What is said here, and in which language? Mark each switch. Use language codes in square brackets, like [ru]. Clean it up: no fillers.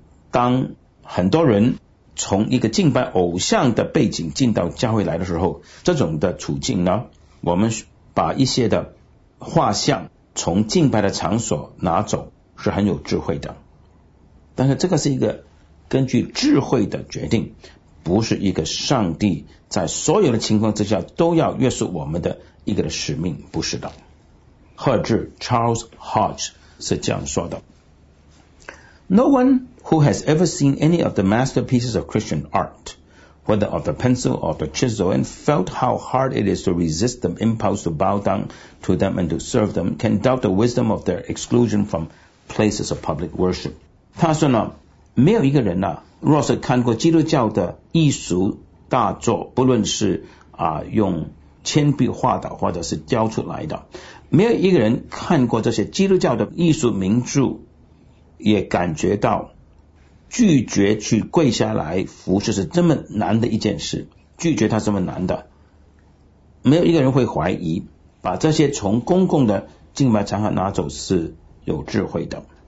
[zh] 当很多人从一个敬拜偶像的背景进到教会来的时候，这种的处境呢，我们把一些的画像从敬拜的场所拿走是很有智慧的。但是这个是一个根据智慧的决定，不是一个上帝在所有的情况之下都要约束我们的一个的使命，不是的。 [en] 赫治 Charles Hodge [zh] 是这样说的 [en] No one who has ever seen any of the masterpieces of Christian art, whether of the pencil or the chisel, and felt how hard it is to resist the impulse to bow down to them and to serve them, can doubt the wisdom of their exclusion from places of public worship. [zh] 他说呢，没有一个人若是看过基督教的艺术大作，不论是用铅笔画的或者是雕出来的，没有一个人看过这些基督教的艺术名著也感觉到拒绝去跪下来服侍是这么难的一件事，拒绝他这么难的，没有一个人会怀疑把这些从公共的敬拜场合拿走是有智慧的。